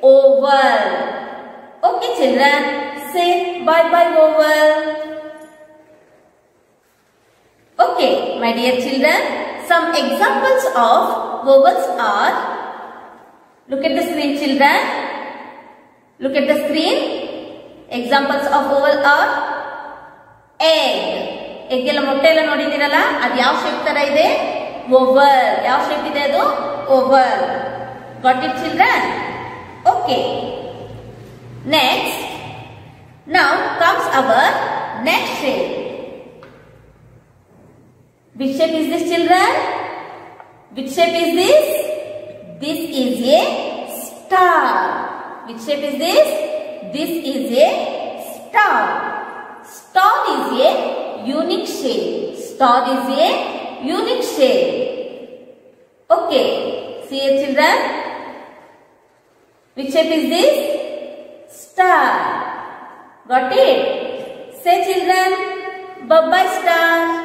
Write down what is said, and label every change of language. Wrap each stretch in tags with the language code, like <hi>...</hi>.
<en>Oval. Okay children, say bye bye oval. Okay, my dear children, some examples of ovals are, look at the screen children, look at the screen. Examples of oval are egg.</en> <kn>Egg ಎಲ್ಲ ಮೊಟ್ಟೆ ಎಲ್ಲ ನೋಡಿದಿರಲ್ಲ ಅದು ಯಾವ shape ತರ ಇದೆ over ಯಾವ shape ಇದೆ ಅದು over</kn> <en>Got it children okay next now comes our next shape which shape is this children which shape is this this is a star which shape is this this is a star star is a unique shape. Star is a unique shape. Okay, see it children, which shape is this? Star. Got it? Say children, bye bye star.</en>